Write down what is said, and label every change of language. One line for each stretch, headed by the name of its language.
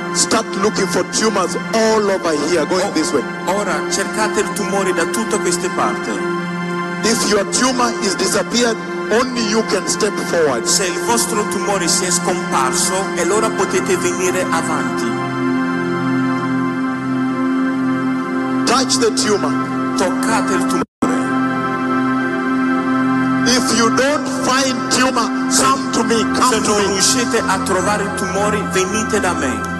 English: start looking for tumors all over here, going this way.
Italian: Ora, cercate il tumore da tutte queste parti.
English: If your tumor is disappeared, only you can step forward.
Italian: Se il vostro tumore si è scomparso, allora potete venire avanti.
English: Touch the tumor.
Italian: Toccate il tumore.
English: If you don't find tumor, come to me, come
Italian: se Se non riuscite a trovare tumori, venite da me.